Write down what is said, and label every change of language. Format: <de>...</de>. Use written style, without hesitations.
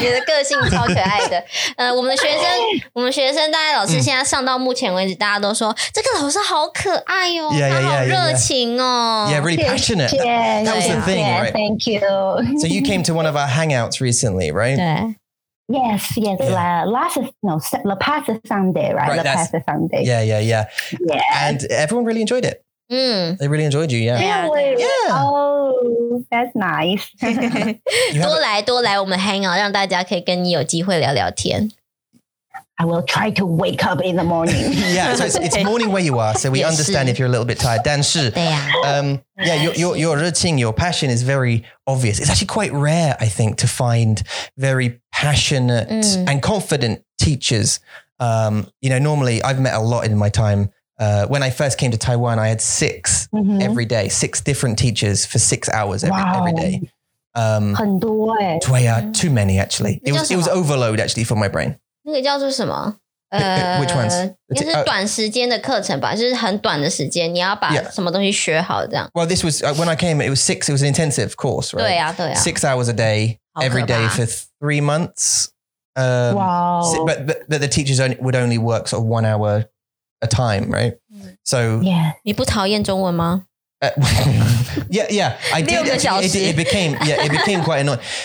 <zh>你的个性超可爱的我们学生大概老师现在上到目前为止、嗯、大家都说这个老师好可爱哦</zh> <en>yeah,</en> <zh>好热情哦</zh> <en>Yeah, really passionate. That was the thing, yeah, right? Thank you. So you came to one of our hangouts recently, right?</en> <zh>对</zh> <en>Yes, the past Sunday, right? Yeah. And everyone really enjoyed it.、 Mm. They really enjoyed you, yeah. Really? Yeah. Oh, that's nice.</en> <zh>多来多来我们 hang out, 让大家可以跟你有机会聊聊天。</zh> <en>I will try to wake up in the morning. Yeah, so it's morning where you are, so we understand if you're a little bit tired. 但是 your 热情, your passion is very obvious. It's actually quite rare, I think, to find very passionate、mm. and confident teachers. You know, normally I've met a lot in my time. When I first came to Taiwan, I had six、mm-hmm. every day, six different teachers for 6 hours every day.</en> <zh>很多耶、欸、对啊</zh> <en>too many, actually. It was overload, actually, for my brain.</en> <zh>那个叫做什么？</zh> <en>Which ones?</en> <zh>应该是短时间的课程吧，就是很短的时间，你要把什么东西学好这样。</zh> <en>Well, this was, when I came, it was six, it was an intensive course, right?</en> <zh>对呀、啊，对呀、啊。</zh> <en>6 hours a day, every day for 3 months. Wow. But the teachers would only work sort of 1 hour a time, right? So, yeah.</en> <zh>你不讨厌中文吗？</zh> <en>I did. It became quite annoying.</en>